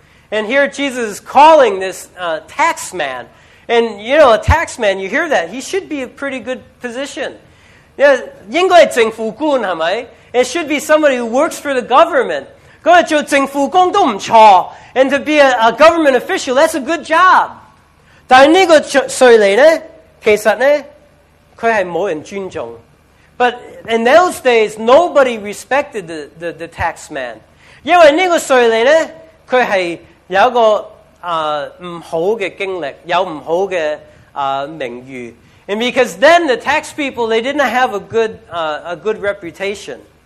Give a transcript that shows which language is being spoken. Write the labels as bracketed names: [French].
[English] And here Jesus is calling this tax man. And you know, a tax man, you hear that, he should be in a pretty good position. [Chinese] Yeah, 應該政府官,是不是? [English] It should be somebody who works for the government. [Chinese] 那就政府工都不錯, [English] and to be a government official, that's a good job. [Chinese] 但這個稅吏呢,其實呢,他是沒有人尊重。 [English] But in those days, nobody respected the tax man. [Chinese] 因為這個稅吏呢,他是有一個不好的經歷,有不好的名譽。 [English] And because then the tax people, they didn't have a good reputation.